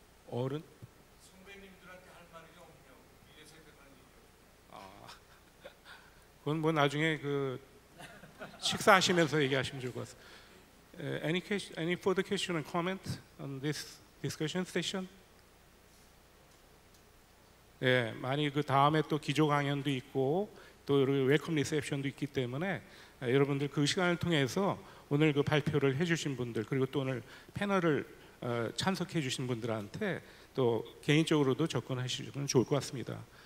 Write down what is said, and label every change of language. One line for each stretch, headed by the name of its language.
Korean: 어른? 선배님들한테 할 말이 없네요. 미래 세대라는 얘기. 그건 뭐 나중에 그 식사하시면서 얘기하시면 좋을 것 같습니다.
English: Any further question and comment on this discussion session?
Korean: 예, 많이 그 다음에 또 기조 강연도 있고 또 여러 웰컴 리셉션도 있기 때문에 여러분들 그 시간을 통해서 오늘 그 발표를 해주신 분들 그리고 또 오늘 패널을 참석해 주신 분들한테 또 개인적으로도 접근하시면 좋을 것 같습니다.